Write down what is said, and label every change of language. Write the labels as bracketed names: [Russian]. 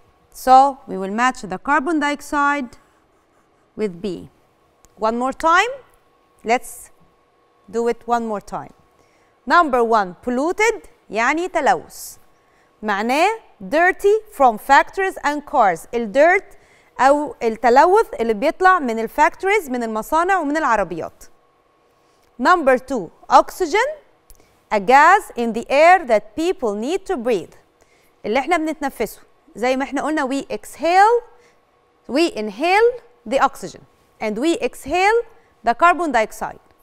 [English] So, we will match the carbon dioxide with B. One more time. Let's do it one more time. Number 1, polluted, [Arabic] يعني تلوث. [English] معناه dirty from factories and cars. [Arabic] الديرت أو التلوث اللي بيطلع من الفاكتوريز من المصانع ومن العربيات. [English] Number 2, oxygen, a gas in the air that people need to breathe. [Arabic] اللي احنا بنتنفسه. زي ما احنا قلنا [English] we exhale, we inhale the oxygen. And we exhale the carbon dioxide.